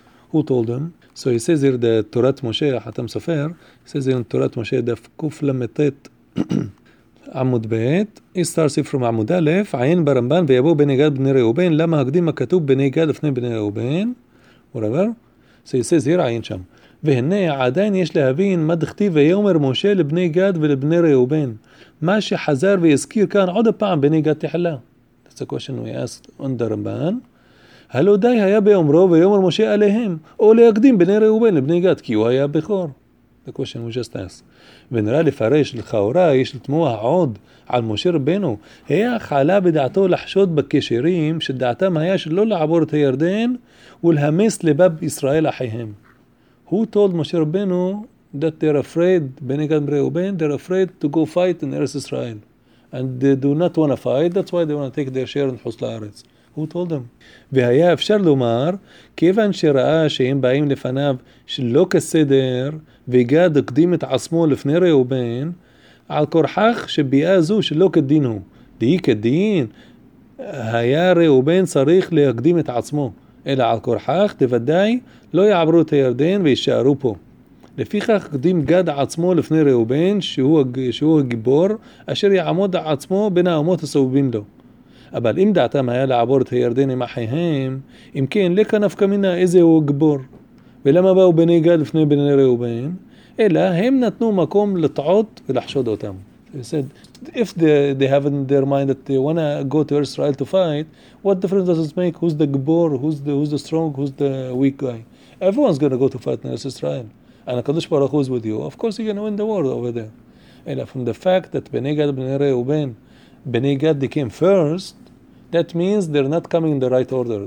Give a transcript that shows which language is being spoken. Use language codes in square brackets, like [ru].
[en] Who told them? So he says here the Torah Moshe, Hatam Sofer, says here in Torah Moshe, Daf Kuf Lametet Amud Beit, he starts it from Amud Alef, Ayin Baramban, Ve'yabu B'nei Gad B'nei Reuben, Lama Hagdim HaKatub B'nei Gad Afnei B'nei Reuben, whatever. So he says here, Ayin Sham. [he] והנה עדיין יש להבין מה דכתיב ויאמר משה לבני גד ולבני ראובן. מה שחזר והזכיר כאן עוד הפעם בני גד תחלה. [en] That's a question we asked on the Ramban. [he] הלא די היה ביאמרו ויאמר משה עליהם או להקדים בני ראובן לבני גד כי הוא היה בכור. [en] The question we just asked. [he] ונראה לפרש לכאורה יש לתמוע עוד על משה רבנו. היה חלה בדעתו לחשוד בקשרים שדעתם היה שלא לעבור את הירדן ולהמס לבב ישראל אחיהם. [en] Who told Moshe Rabbeinu that they're afraid, Bnei Gad and Reuben, they're afraid to go fight in Eretz Israel? And they do not want to fight, that's why they want to take their share in Chutz La'aretz. Who told them? [he] והיה אפשר לומר, כיוון שראה שהם באים לפניו שלא כסדר, וגד הקדים את עצמו לפני ראובן, על כורחך שביאה זו שלא כדין הוא. דהי כדין, היה ראובן צריך להקדים את עצמו. אלא על כורחך, תוודאי, לא יעברו את הירדן וישארו פה. לפיכך קדים גד עצמו לפני ראובן, שהוא הגיבור, אשר יעמוד עצמו בין האומות הסובבים לו. אבל אם דעתם היה לעבור את הירדן עם אחיהם, אם כן, לכה נפקא מינה איזה הוא הגיבור. ולמה באו בני גד לפני בני ראובן? אלא הם נתנו מקום לטעות ולחשוד אותם. [en] He said, if they have in their mind that they want to go to Israel to fight, what difference does it make? Who's the gibor? Who's the strong? Who's the weak guy? Everyone's going to go to fight in Israel. And HaKadosh Baruch Hu is with you. Of course, you're going to win the war over there. And from the fact that Bnei Gad, Bnei Reuben, Bnei Gad came first, that means they're not coming in the right order.